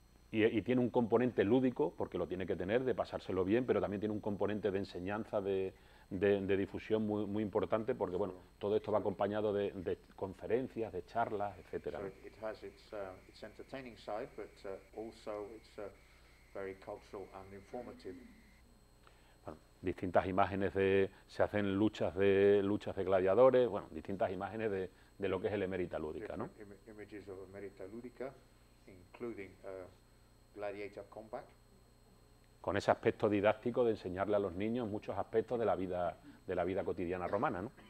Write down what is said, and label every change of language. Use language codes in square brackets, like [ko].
[es] Y tiene un componente lúdico, porque lo tiene que tener, de pasárselo bien, pero también tiene un componente de enseñanza, de difusión muy, muy importante, porque bueno, todo esto va acompañado de conferencias, de charlas, etcétera. [en] So it has its entertaining side, but also it's very cultural and informative. [es] Bueno, distintas imágenes se hacen luchas de gladiadores, bueno, distintas imágenes de lo que es el Emérita Lúdica, ¿no? [en] Images of Emérita Lúdica, including Gladiator Combat. [es] Con ese aspecto didáctico de enseñarle a los niños muchos aspectos de la vida cotidiana romana, ¿no?